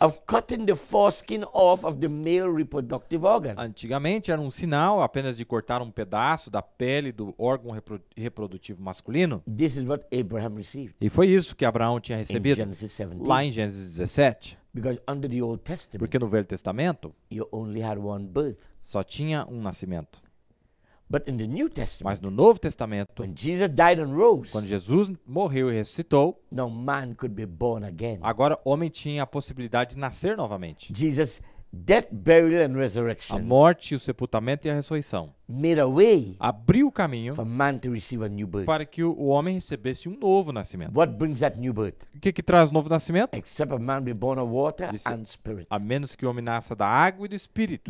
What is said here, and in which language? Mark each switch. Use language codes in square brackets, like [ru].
[en] Of cutting the foreskin off of the male reproductive organ. [pt] Antigamente era um sinal apenas de cortar um pedaço da pele do órgão reprodutivo masculino. [en] This is what Abraham received. [pt] E foi isso que Abraão tinha recebido. [en] In Genesis 17. [pt] Lá em Gênesis 17. [en] Because under the Old Testament, [pt] porque no Velho Testamento [en] you only had one birth. [pt] Só tinha um nascimento. [en] But in the New Testament, [pt] mas no Novo Testamento, [en] when Jesus died and rose, [pt] quando Jesus morreu e ressuscitou, [en] no man could be born again. [pt] Agora homem tinha a possibilidade de nascer novamente. [en] Jesus, death, burial, and resurrection, [pt] a morte, o sepultamento e a ressurreição [en] made a way, [pt] abriu o caminho [en] for man to receive a new birth, [pt] para que o homem recebesse um novo nascimento. [en] What brings that new birth? [pt] O que, que traz o novo nascimento? [en] Except a man be born of water and spirit. [pt] A menos que o homem nasça da água e do Espírito.